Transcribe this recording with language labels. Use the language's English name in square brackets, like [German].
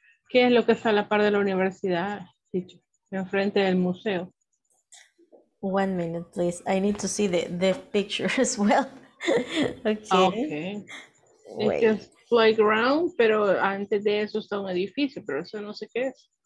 [Spanish] ¿Qué es lo que está a la par de la universidad? Enfrente del museo. [English] One minute, please. I need to see the picture as well. Okay. [Spanish] Es playground, pero antes de eso está un edificio, pero eso no sé qué es.